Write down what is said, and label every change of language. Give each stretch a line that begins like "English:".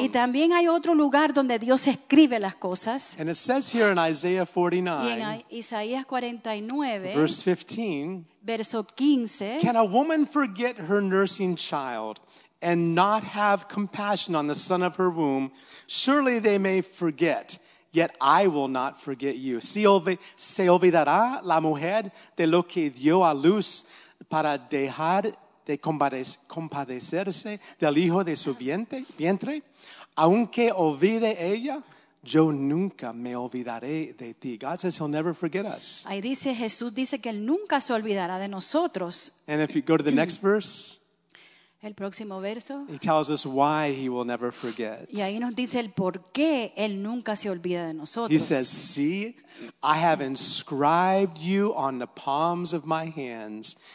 Spanish: Y también hay otro lugar donde Dios escribe las cosas.
English: And it says here in Isaiah 49.
Spanish: Y en Isaías 49.
English: Verse 15.
Spanish: Verso 15.
English: Can a woman forget her nursing child and not have compassion on the son of her womb? Surely they may forget, yet I will not forget you.
Spanish: ¿Se olvidará la mujer de lo que dio a luz para dejar de compadecerse del hijo de su vientre? Aunque olvide ella, yo nunca me olvidaré de ti.
English: God says he'll never forget us.
Spanish: Ahí dice, Jesús dice que él nunca se olvidará de nosotros.
English: And if you go to the next verse,
Spanish: el próximo verso.
English: He tells us why he will never forget.
Spanish: Y ahí nos dice el por qué él nunca se olvida de nosotros.
English: He says, see, I have inscribed you on the palms of my hands.